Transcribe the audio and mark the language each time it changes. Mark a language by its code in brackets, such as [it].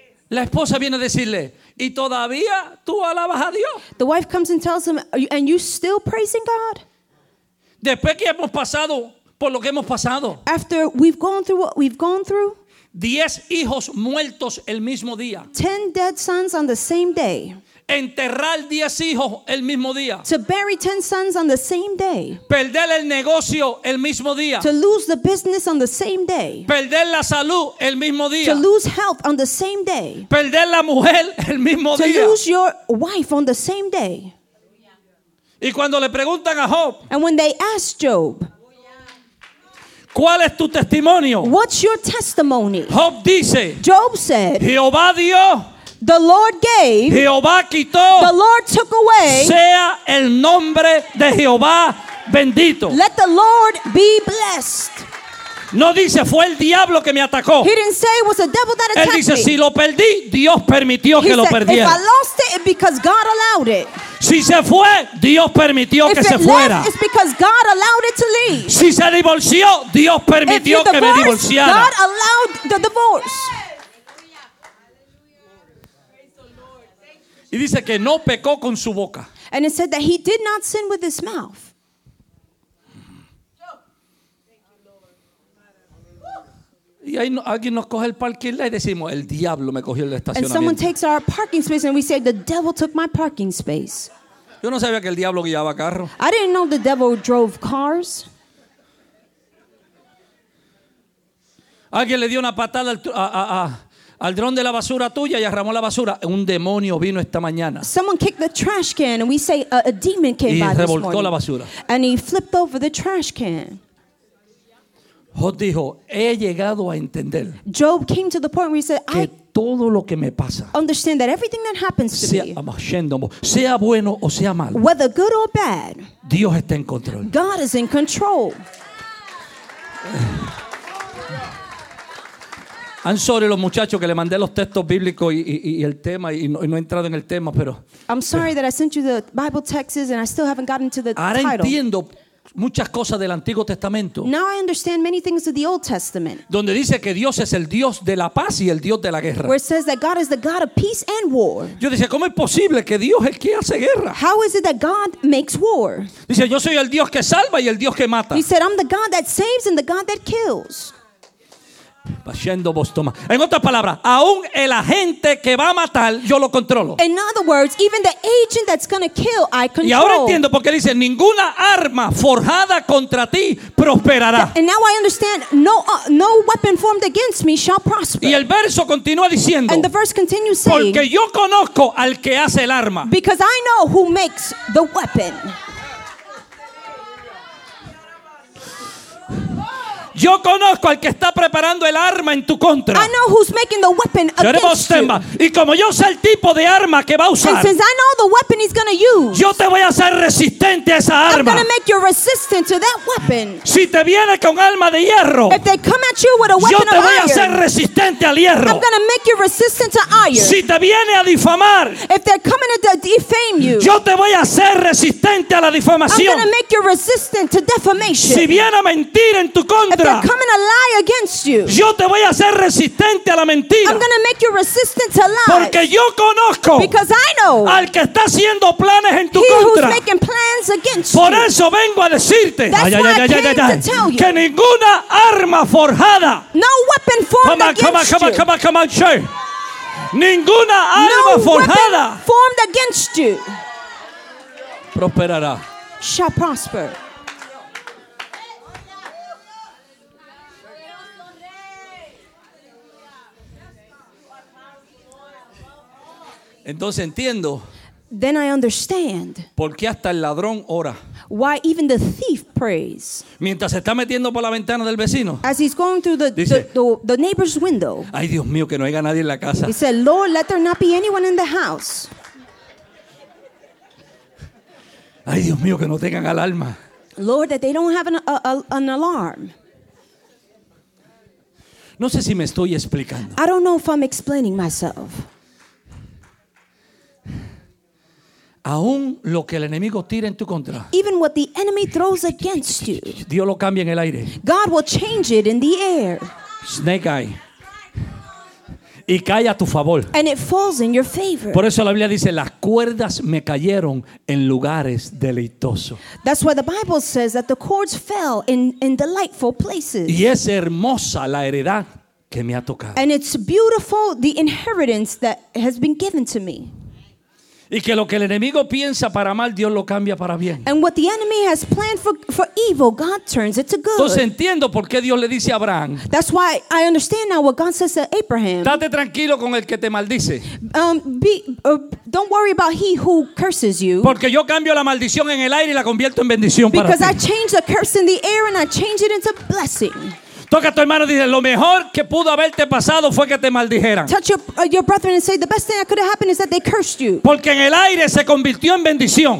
[es] La esposa viene a decirle, ¿y todavía tú alabas a Dios? [en] The wife comes and tells him, and you still praising God? [es] Después que hemos pasado por lo que hemos pasado. [en] After we've gone through what we've gone through. [es] 10 hijos muertos el mismo día. [en] 10 dead sons on the same day. [es] Enterrar 10 hijos el mismo día. [en] To bury 10 sons on the same day. [es] Perder el negocio el mismo día. [en] To lose the business on the same day. [es] Perder la salud el mismo día. [en] To lose health on the same day. [es] Perder la mujer el mismo [en] to [es] día. [en] To lose your wife on the same day. [es] Y cuando le preguntan a Job, [en] and when they ask Job, [es] ¿cuál es tu testimonio? [en] What's your testimony? [es] Job dice, [en] Job said, [es] Jehová dio, [en] the Lord gave, [es] Jehová quitó, [en] the Lord took away, [es] sea el nombre de Jehová bendito. [en] Let the Lord be blessed. [es] No dice, fue el diablo que me atacó. [en] He didn't say it was the devil that attacked [es] me. Él dice, [en] me. [es] Si lo perdí, Dios permitió [en] he [es] que [en] said, [es] lo perdiera. [en] If I lost it, it's because God allowed it. [es] Si se fue, Dios permitió [en] if [es] que se fuera. [en] Left, it's because God allowed it to leave. [es] Si se divorció, Dios permitió [en] divorced, [es] que me divorciara. [en] God allowed the divorce. [es] Y dice que no pecó con su boca. [en] And it said that he did not sin with his mouth. [es] Y ahí alguien nos coge el parking lot y decimos, el diablo me cogió el estacionamiento. [en] And someone takes our parking space and we say, the devil took my parking space. [es] Yo no sabía que el diablo guiaba carro. [en] I didn't know the devil drove cars. [es] Alguien le dio una patada al dron de la basura tuya y arramó la basura. Un demonio vino esta mañana. [en] Someone kicked the trash can and we say a demon came [es] y [en] by this morning. [es] Y revoltó la basura. [en] And he flipped over the trash can. [es] Job dijo, he llegado a entender. [en] Job came to the point where he said, [es] que todo lo que me pasa, [en] understand that everything that happens to [es] sea, [en] me, [es] sea bueno o sea malo, [en] whether good or bad, [es] Dios está en control. [en] God is in control. I'm sorry, [es] los muchachos, que le mandé los textos bíblicos y el tema y no he entrado en el tema, pero. [en] I'm sorry that I sent you the Bible texts and I still haven't gotten to the title. [es] Ahora entiendo. Muchas cosas del Antiguo Testamento. [en] Now I understand many things of the Old Testament. [es] Donde dice que Dios es el Dios de la paz y el Dios de la guerra. [en] Where it says that God is the God of peace and war. [es] Yo decía, ¿cómo es posible que Dios es quien hace guerra? [en] How is it that God makes war? [es] Dice, yo soy el Dios que salva y el Dios que mata. [en] He said, I'm the God that saves and the God that kills. [es] Haciendo vos toma. En otras palabras, aún el agente que va a matar, yo lo controlo. [en] In other words, even the agent that's going to kill, I control. [es] Y ahora entiendo por qué dice ninguna arma forjada contra ti prosperará. [en] And now I understand, no weapon formed against me shall prosper. [es] Y el verso continúa diciendo. [en] And the verse continues saying. [es] Porque yo conozco al que hace el arma. [en] Because I know who makes the weapon. [es] Yo conozco al que está preparando el arma en tu contra. [en] I know who's making the weapon against you. [es] Y como yo sé el tipo de arma que va a usar. [en] And since I know the weapon he's going to use. [es] Yo te voy a hacer resistente a esa arma. [en] I'm going to make you resistant to that weapon. [es] Si te viene con arma de hierro. [en] If they come at you with a weapon of iron. [es] Yo te voy a hacer resistente al hierro. [en] I'm going to make you resistant to iron. [es] Si te viene a difamar. [en] If they're coming to defame you. [es] Yo te voy a hacer resistente a la difamación. [en] I'm going to make you resistant to defamation. [es] Si viene a mentir en tu contra. [en] They're coming to lie against you. [es] Yo te voy a hacer resistente a la mentira. [en] I'm going to make you resistant to lies. [es] Porque yo conozco [en] because I know [es] al que está haciendo planes en tu [en] he [es] contra. [en] Who's making plans against [es] por [en] you. [es] Eso vengo a decirte [en] that's why I came to tell you [es] que ninguna arma forjada [en] no weapon formed against you. Come on, [es] ninguna arma [en] no [es] forjada [en] weapon formed against you [es] prosperará [en] shall prosper. [es] Entonces entiendo. [en] Then I understand. [es] ¿Por qué hasta el ladrón ora? [en] Why even the thief prays? [es] Mientras se está metiendo por la ventana del vecino. [en] As he's going through the neighbor's window. [es] Ay, Dios mío, que no haya nadie en la casa. [en] He said, "Lord, let there not be anyone in the house." [es] Ay, Dios mío, que no tengan alarma. [en] Lord, that they don't have an alarm. [es] No sé si me estoy explicando. [en] I don't know if I'm explaining myself. [es] Aún lo que el enemigo tira en tu contra. [en] Even what the enemy throws against you. [es] Dios lo cambia en el aire. [en] God will change it in the air. Snake eye. [es] Y cae a tu favor. [en] And it falls in your favor. [es] Por eso la Biblia dice, las cuerdas me cayeron en lugares deleitosos. [en] That's why the Bible says that the cords fell in delightful places. [es] Y es hermosa la heredad que me ha tocado. [en] And it's beautiful, the inheritance that has been given to me. [es] Y que lo que el enemigo piensa para mal, Dios lo cambia para bien. [en] And what the enemy has planned for evil, God turns it to good. [es] Entonces entiendo por qué Dios le dice a Abraham. [en] That's why I understand now what God says to Abraham. [es] Date tranquilo con el que te maldice. [en] Don't worry about he who curses you. [es] Porque yo cambio la maldición en el aire y la convierto en bendición para ti. [en] Because I change the curse in the air and I change it into blessing. [es] Toca a tu hermano y dice, lo mejor que pudo haberte pasado fue que te maldijeran. [en] Touch your brethren and say, the best thing that could have happened is that they cursed you. [es] Porque en el aire se convirtió en bendición.